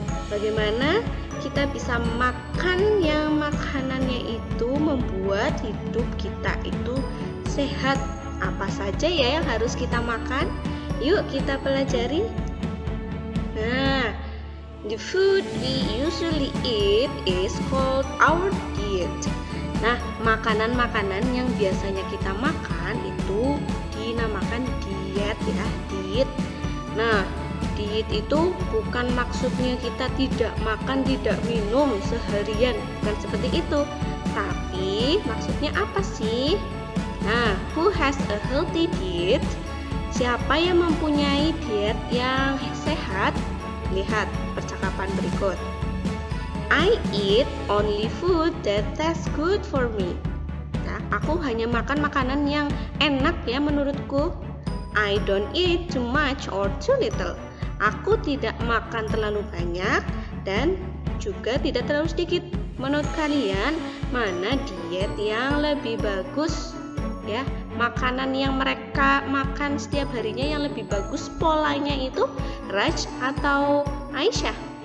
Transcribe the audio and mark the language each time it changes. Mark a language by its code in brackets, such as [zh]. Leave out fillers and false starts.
[id] Bagaimana kita bisa makan yang makanannya itu membuat hidup kita itu sehat. Apa saja ya yang harus kita makan? Yuk kita pelajari. [en] Nah, the food we usually eat is called our diet. [id] Nah, makanan-makanan yang biasanya kita makan itu dinamakan diet ya, diet. Nah, diet itu bukan maksudnya kita tidak makan, tidak minum seharian, bukan seperti itu. Tapi maksudnya apa sih? Nah, [en] who has a healthy diet? [id] Siapa yang mempunyai diet yang sehat? Lihat percakapan berikut. [en] I eat only food that tastes good for me. [id] Nah, aku hanya makan makanan yang enak ya menurutku. [en] I don't eat too much or too little. [id] Aku tidak makan terlalu banyak dan juga tidak terlalu sedikit. Menurut kalian, mana diet yang lebih bagus? Ya, makanan yang mereka makan setiap harinya yang lebih bagus polanya itu Raj atau Aisyah?